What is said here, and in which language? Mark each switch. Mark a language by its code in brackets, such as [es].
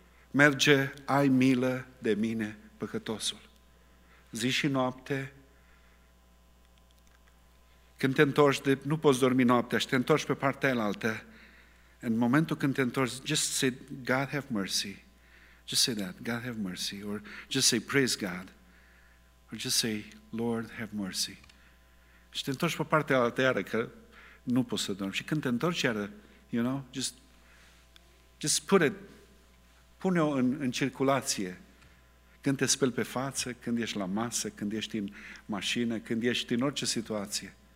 [ro] Merge, ai milă de mine, păcătosul. Zi și noapte, când te întorci, nu poți dormi noaptea și te întorci pe partea aia, în momentul când te întorci, [en] just say, God have mercy. Just say that, God have mercy. Or just say, praise God. Or just say, Lord have mercy. [ro] Și te întorci pe partea aia, iară, că nu poți să dormi. Și când te întorci, iară, [en] you know, just put it, [ro] pune-o în circulație. Când te speli pe față, când ești la masă, când ești în mașină, când ești în orice situație.